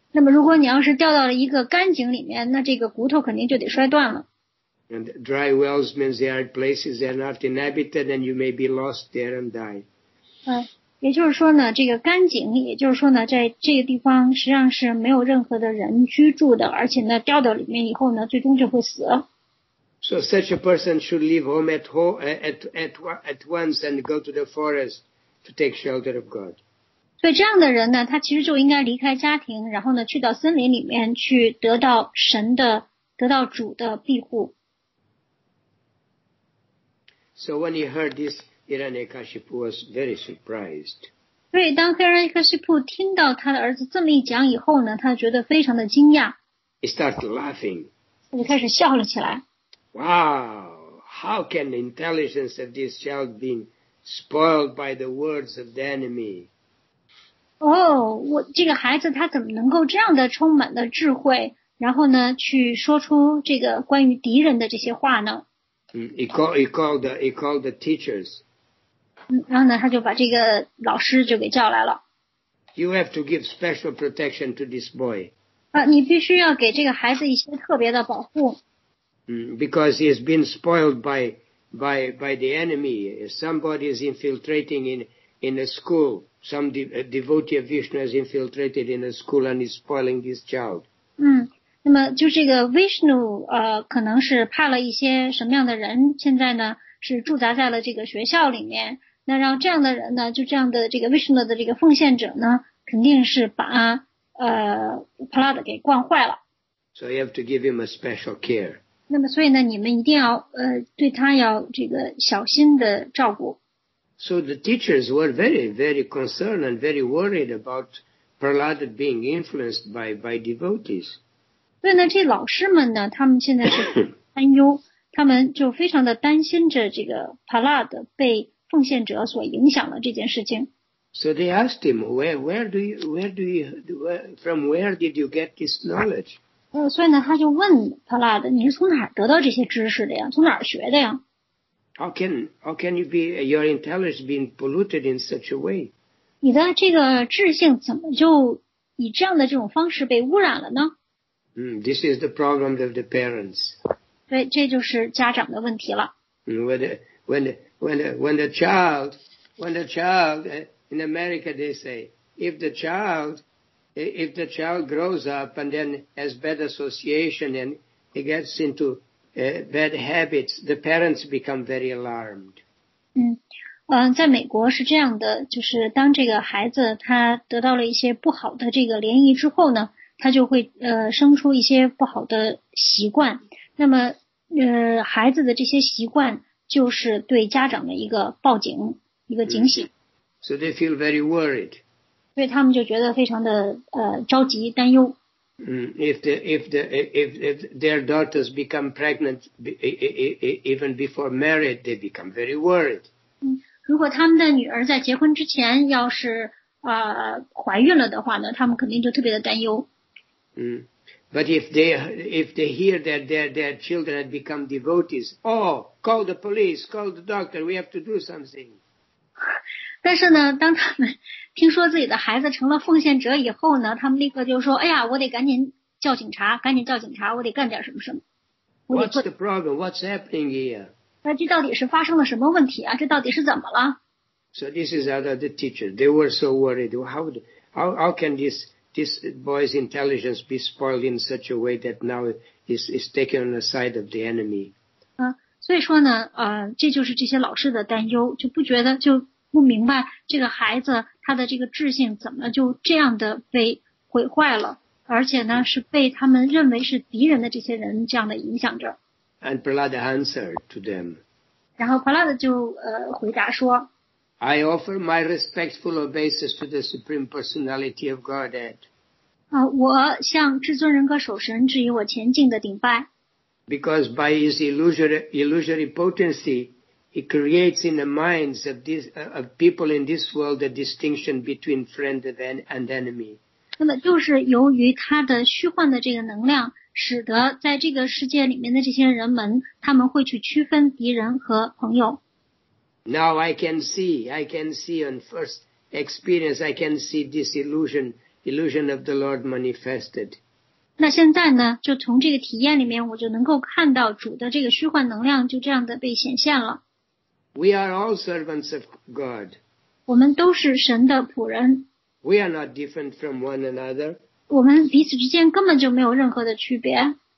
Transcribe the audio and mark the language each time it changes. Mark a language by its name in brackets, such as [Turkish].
[Chinese] 那么如果你要是掉到了一个干井里面，那这个骨头肯定就得摔断了。 [English] And dry wells means they are places that are not inhabited and you may be lost there and die. [Chinese] 也就是说呢，这个干井，也就是说呢，在这个地方实际上是没有任何的人居住的，而且呢，掉到里面以后呢，最终就会死。 [English] So such a person should leave home at once and go to the forest to take shelter of God. [Chinese] 所以这样的人呢，他其实就应该离开家庭，然后呢，去到森林里面去得到神的、得到主的庇护。 [English] So when he heard this, Hiranyakashipu was very surprised. [Chinese] 所以当 Hiranyakashipu 听到他的儿子这么一讲以后呢，他觉得非常的惊讶。 [English] He started laughing. [Chinese] 他就开始笑了起来。 [English] Wow! How can the intelligence of this child be spoiled by the words of the enemy? [Chinese] 我这个孩子他怎么能够这样的充满了智慧，然后呢去说出这个关于敌人的这些话呢？ [English] He called the teachers. [Chinese] 然后呢他就把这个老师就给叫来了。 [English] You have to give special protection to this boy. [Chinese] 你必须要给这个孩子一些特别的保护。 [English] Because he has been spoiled by the enemy. Somebody is infiltrating in a school. Some devotee of Vishnu has infiltrated in a school and is spoiling this child. [Chinese] 那么就这个 Vishnu, 可能是派了一些什么样的人，现在呢是驻扎在了这个学校里面。那让这样的人呢，就这样的这个 Vishnu 的这个奉献者呢，肯定是把Prahlad 给惯坏了。 [English] So you have to give him a special care. [Chinese] 那么所以呢，你们一定要对他要这个小心的照顾。 [English] So the teachers were very, very concerned and very worried about Prahlad being influenced by devotees. [Chinese] 对呢，这老师们呢，他们现在是担忧，他们就非常的担心着这个 Prahlad 被奉献者所影响了这件事情。 [English] So they asked him, where did you get this knowledge? [Chinese] 所以呢，他就问 Prahlad, 你是从哪儿得到这些知识的呀？从哪儿学的呀？ [English] How can you be your intelligence being polluted in such a way? [Chinese] 你的这个智性怎么就以这样的这种方式被污染了呢？ [English] This is the problem of the parents. [Chinese] 对，这就是家长的问题了。 [English] When the child in America, they say, if the child grows up and then has bad association and he gets into bad habits, the parents become very alarmed. [Chinese] 在美国是这样的，就是当这个孩子他得到了一些不好的这个涟漪之后呢，他就会生出一些不好的习惯。那么孩子的这些习惯就是对家长的一个报警，一个警醒。 [English] So they feel very worried. [Chinese] 所以他们就觉得非常的着急担忧。 [English] If their daughters become pregnant even before married, they become very worried. [Chinese] 如果他们的女儿在结婚之前要是怀孕了的话呢，他们肯定就特别的担忧。 [English] But if they hear that their children had become devotees, oh, call the police, call the doctor, we have to do something. [Chinese] 但是呢，当他们听说自己的孩子成了奉献者以后呢，他们立刻就说，哎呀，我得赶紧叫警察，赶紧叫警察，我得干点什么什么。 [English] What's the problem? What's happening here? [Chinese] 那这到底是发生了什么问题啊？这到底是怎么了？ [English] So this is out of the teacher. They were so worried. How can this boy's intelligence be spoiled in such a way that now is taken on the side of the enemy. [Chinese] 所以说呢，这就是这些老师的担忧，就不觉得，就不明白这个孩子他的这个智性怎么就这样的被毁坏了，而且呢是被他们认为是敌人的这些人这样的影响着。 [English] And Prahlad answered to them. [Chinese] 然后 Prahlad 就回答说， [English] I offer my respectful obeisance to the Supreme Personality of Godhead. [Chinese] 我向至尊人格守神致以我前进的顶拜。 [English] Because by his illusory potency, he creates in the minds of of people in this world the distinction between friend and enemy. [Chinese] 那么就是由于他的虚幻的这个能量，使得在这个世界里面的这些人们，他们会去区分敌人和朋友。 [English] Now I can see on first experience, I can see this illusion of the Lord manifested. [Chinese] 那现在呢，就从这个体验里面，我就能够看到主的这个虚幻能量就这样的被显现了。 [English] We are all servants of God. [Chinese] 我们都是神的仆人。 [English] We are not different from one another. [Chinese] 我们彼此之间根本就没有任何的区别。